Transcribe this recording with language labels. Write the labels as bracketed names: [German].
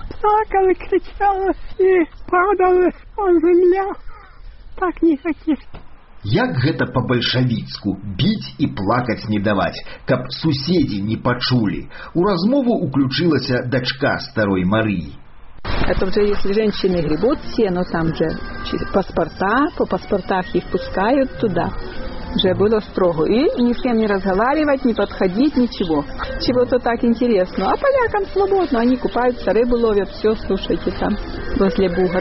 [Ukrainian] Так, але кричали і падали по землі. Так не хотіш. [Belarusian] Як гэта по-большавіцьку біць і плакаць не даваць, каб суседзі не пачулі? У размову уключылася дачка старой Марыі. [Russian] А там же, если женщины гребут сено, там же паспорта, по паспортах их пускают туда. Уже было строго. И ни с кем не разговаривать, не подходить, ничего. Чего-то так интересно. А полякам свободно, они купаются, рыбу ловят, все, слушайте, там, возле Буга.